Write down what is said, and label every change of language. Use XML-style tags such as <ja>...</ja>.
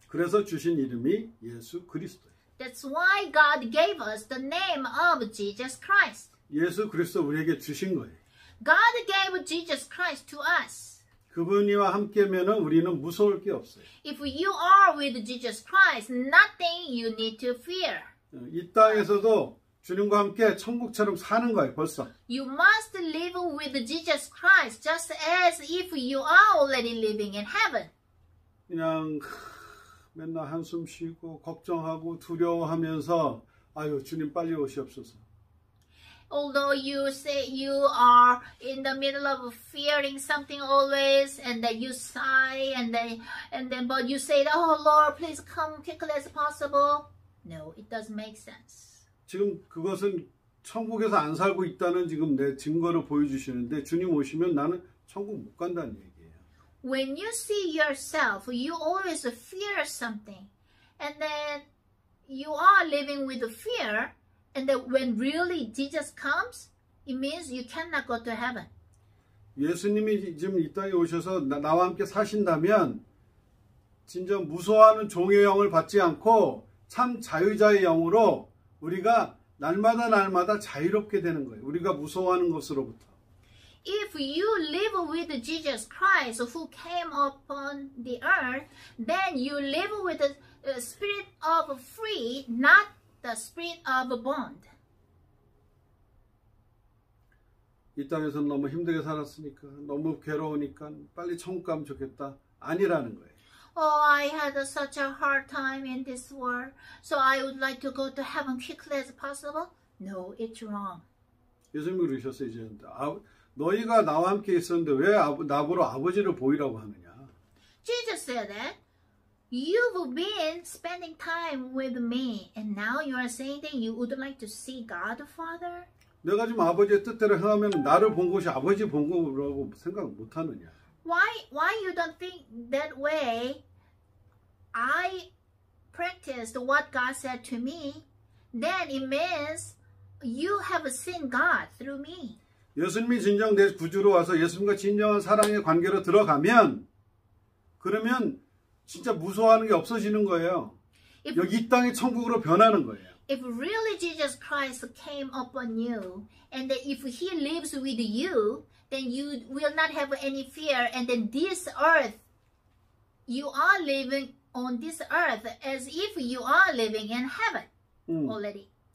<ko>그래서 주신 이름이 예수 그리스도예요.</ko> <en>That's why God gave us the name of Jesus Christ.</en> <ko>예수 그리스도 우리에게 주신 거예요.</ko> <en>God gave Jesus Christ to us.</en> <ko>그분이와 함께면은 우리는 무서울 게 없어요.</ko> <en>If you are with Jesus Christ, nothing you need to fear.</en> <ko>이 땅에서도 주님과 함께 천국처럼 사는 거예요, 벌써.</ko> <en>You must live with Jesus Christ just as if you are already living in heaven.</en> <ko>그냥 맨날 한숨 쉬고 걱정하고 두려워하면서 아유, 주님 빨리 오시옵소서.</ko> <en>Although you say you are in the middle of fearing something always, and then you sigh, and then, but you say, "Oh Lord, please come quickly as possible." No, it doesn't make sense.</en> <ko>지금 그것은 천국에서 안 살고 있다는 지금 내 증거를 보여주시는데 주님 오시면 나는 천국 못 간다는 얘기예요.</ko> <en>When you see yourself, you always fear something, and then you are living with fear. And that when really Jesus comes, it means you cannot go to heaven.</en> <ko>예수님이 지금 이 땅에 오셔서 나와 함께 사신다면 진짜 무서워하는 종의 영을 받지 않고 참 자유자의 영으로 우리가 날마다 날마다 자유롭게 되는 거예요. 우리가 무서워하는 것으로부터.</ko> <en>If you live with Jesus Christ who came upon the earth, then you live with the spirit of free, not the spirit of a bond.</en> <ko>이 땅에서 너무 힘들게 살았으니까 너무 괴로우니까 빨리 천국 가면 좋겠다. 아니라는 거예요.</ko> <en>Oh, I had such a hard time in this world. So I would like to go to heaven quickly as possible. No, it's wrong.</en> <ko>예수님 그러셨어요, 이제. 너희가 나와 함께 있었는데 왜 나보러 아버지를 보이라고 하느냐?</ko> <en>Jesus said that you've been spending time with me, and now you are saying that you would like to see God the Father?</en> <ko>내가 지금 아버지의 뜻대로 행하면 나를 본 것이 아버지 본 거라고 생각 못 하느냐?</ko> <en>Why you don't think that way? I practiced what God said to me. Then it means you have seen God through me.</en> <ko>예수님이 진정 내 구주로 와서 예수님과 진정한 사랑의 관계로 들어가면 그러면 진짜 무서워하는 게 없어지는 거예요. 여기 이 땅이 천국으로 변하는 거예요.</ko> <en>If really Jesus Christ came upon you and if he lives with you, then you will not have any fear and then this earth you are living on this earth as if you are living in heaven already.</en>